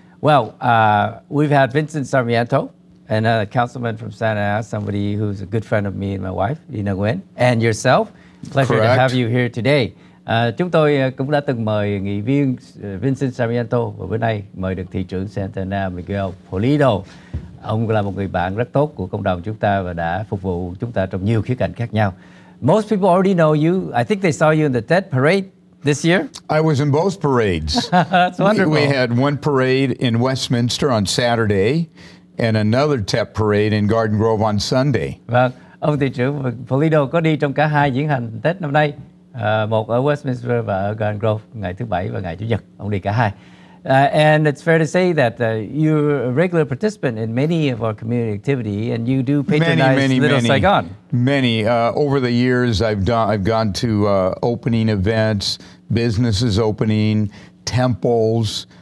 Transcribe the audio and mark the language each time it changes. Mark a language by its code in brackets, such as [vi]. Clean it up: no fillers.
[en] Well, we've had Vincent Sarmiento and a councilman from Santa Ana, somebody who's a good friend of me and my wife, you know, Nguyen, and yourself. Pleasure Correct. To have you here today. [vi] Chúng tôi cũng đã từng mời nghị viên Vincent Sarmiento và bữa nay mời được thị trưởng Santa Ana Miguel Pulido. Ông là một người bạn rất tốt của cộng đồng chúng ta và đã phục vụ chúng ta trong nhiều khía cạnh khác nhau. [en] Most people already know you. I think they saw you in the Tết parade this year. I was in both parades. That's wonderful. We had one parade in Westminster on Saturday and another Tết parade in Garden Grove on Sunday. [vi] Vâng, ông thị trưởng Pulido có đi trong cả hai diễn hành Tết năm nay. Một ở Westminster và ở Garden Grove, ngày thứ Bảy và ngày Chủ nhật. Ông đi cả hai. [en] And it's fair to say that you're a regular participant in many of our community activity, and you do patronize Saigon. Many. Over the years, I've gone to opening events, businesses opening, temples.